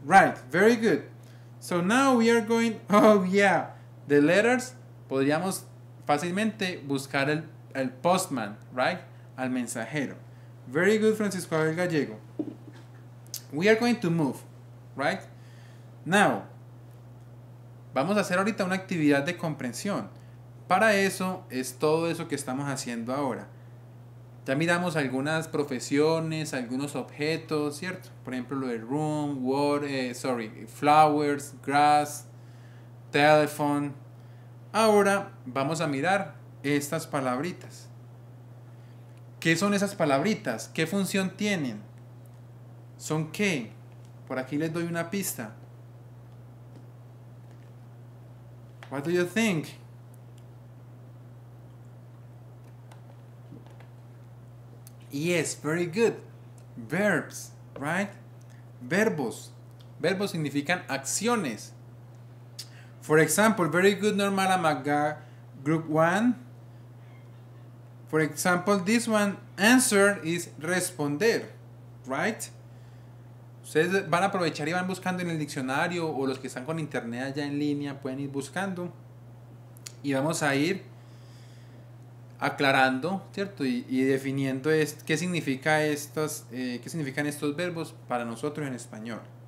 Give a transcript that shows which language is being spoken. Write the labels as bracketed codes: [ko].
[en] Right. Very good. So now we are going, oh yeah, the letters, [es] podríamos fácilmente buscar el postman, [en] right? [es] Al mensajero. [en] Very good, Francisco Abel Gallego. We are going to move, right? [es] Now, vamos a hacer ahorita una actividad de comprensión. Para eso es todo eso que estamos haciendo ahora. Ya miramos algunas profesiones, algunos objetos, ¿cierto? Por ejemplo, lo de room, flowers, grass, telephone. Ahora vamos a mirar estas palabritas. ¿Qué son esas palabritas? ¿Qué función tienen? ¿Son qué? Por aquí les doy una pista. [en] What do you think? Yes, very good. Verbs, right? Verbos. [es] Verbos significan acciones. [en] For example, very good normal amaga group 1. For example, this one answer is responder, right? [es] Ustedes van a aprovechar y van buscando en el diccionario, o los que están con internet allá en línea pueden ir buscando y vamos a ir aclarando, ¿cierto? Y definiendo qué significa estos, qué significan estos verbos para nosotros en español.